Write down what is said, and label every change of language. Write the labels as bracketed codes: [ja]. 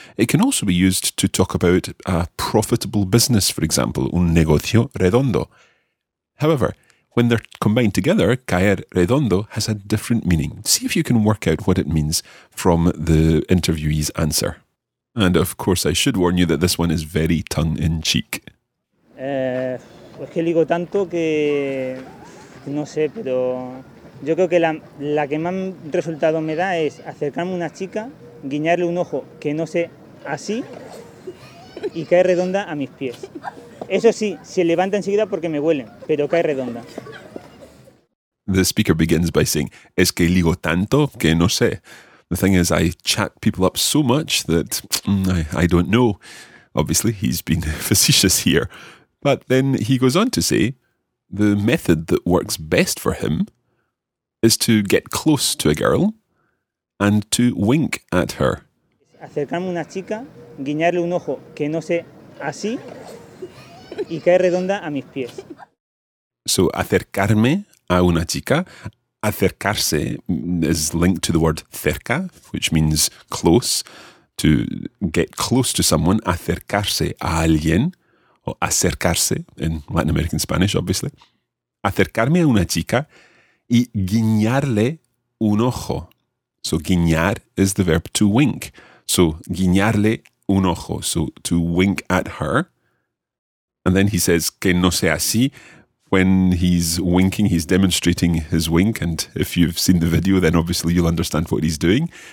[en] It can also be used to talk about a profitable business, for example, [es] un negocio redondo. [en] However, when they're combined together, caer redondo has a different meaning. See if you can work out what it means from the interviewee's answer. And of course, I should warn you that this one is very tongue-in-cheek. Es que digo tanto que no sé, pero yo creo que la que más resultado me da es acercarme a una chica, guiñarle un ojo que no sé así y cae redonda a mis pies. Eso sí, se levanta enseguida porque me huelen, pero cae redonda. The speaker begins by saying, [es] es que ligo tanto que no sé. [en] The thing is, I chat people up so much that I don't know. Obviously, he's been facetious here. But then he goes on to say, the method that works best for him is to get close to a girl and to wink at her. [es] Acercarme a una chica, guiñarle un ojo que no sé así y cae redonda a mis pies. [en] So [es] acercarme a una chica, [en] acercarse is linked to the word cerca, which means close, to get close to someone, [es] acercarse a alguien, [en] or acercarse in Latin American Spanish, obviously. [es] Acercarme a una chica y guiñarle un ojo. [en] So guiñar is the verb to wink. So [es] guiñarle un ojo, [en] so to wink at her. And then he says [es] que no sea así. [en] When he's winking, he's demonstrating his wink. And if you've seen the video, then obviously you'll understand what he's doing.